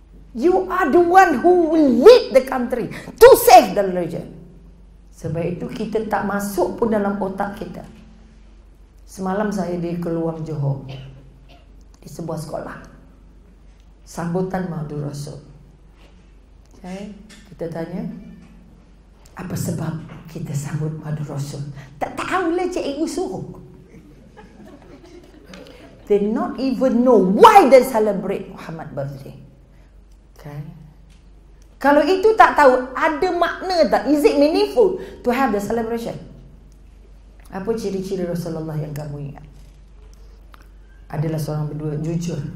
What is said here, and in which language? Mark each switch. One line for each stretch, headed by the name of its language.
English: You are the one who will lead the country to save the religion.
Malay: Sebab itu kita tak masuk pun dalam otak kita. Semalam saya di keluar Johor, di sebuah sekolah, sambutan Maulid Rasul. Okay. Kita tanya, apa sebab kita sambut Maulid Rasul? Tak tahulah cikgu suruh.
English: They not even know why they celebrate Muhammad birthday. Okay.
Malay: Kalau itu tak tahu, ada makna tak?
English: Is it meaningful to have the celebration?
Malay: Apa ciri-ciri Rasulullah yang kamu ingat? Adalah seorang berdua, jujur.